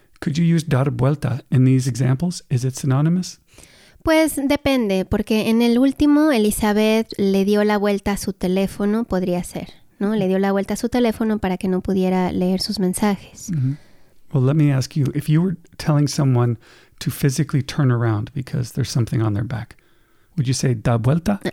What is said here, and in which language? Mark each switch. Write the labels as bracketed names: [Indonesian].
[English] Could you use dar vuelta in these examples? Is it synonymous? [Spanish] Pues depende, porque en el último, Elizabeth le dio la vuelta a su teléfono, podría ser, ¿no? Le dio la vuelta a su teléfono para que no pudiera leer sus mensajes. Mm-hmm. [English] Well, let me ask you, if you were telling someone to physically turn around because there's something on their back, would you say da vuelta?